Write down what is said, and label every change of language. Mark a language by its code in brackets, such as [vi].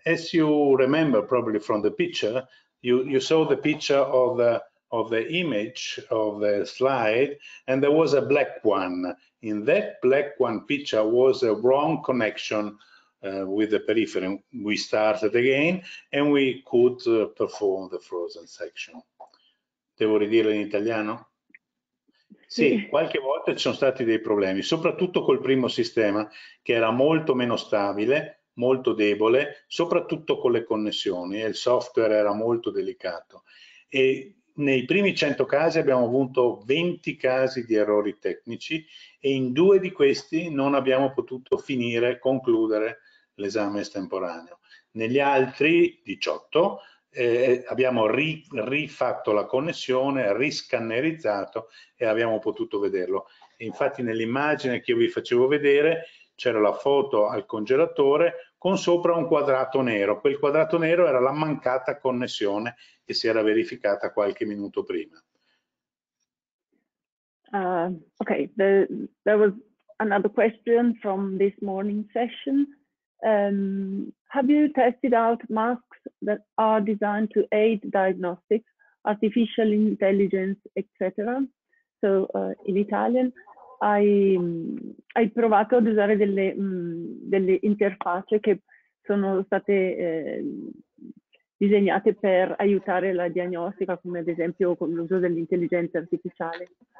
[en] As you remember probably from the picture, you saw the picture of the image of the slide, and there was a black one. In that black one picture was a wrong connection with the periphery. We started again and we could perform the frozen section. [it] Devo ridire in italiano? Sì, qualche volta ci sono stati dei problemi, soprattutto col primo sistema, che era molto meno stabile, molto debole, soprattutto con le connessioni, e il software era molto delicato. E nei primi 100 casi abbiamo avuto 20 casi di errori tecnici, e in due di questi non abbiamo potuto finire, concludere l'esame estemporaneo. Negli altri 18 abbiamo rifatto la connessione, riscannerizzato, e abbiamo potuto vederlo. E infatti nell'immagine che io vi facevo vedere c'era la foto al congelatore con sopra un quadrato nero. Quel quadrato nero era la mancata connessione che si era verificata qualche minuto prima. [en] Okay, there was another question from this morning session. Have you tested out masks that are designed to aid diagnostics, artificial intelligence, etc.? So in Italian, [it] hai provato ad usare delle interfacce che sono state disegnate per aiutare la diagnostica, come ad esempio con l'uso dell'intelligenza artificiale?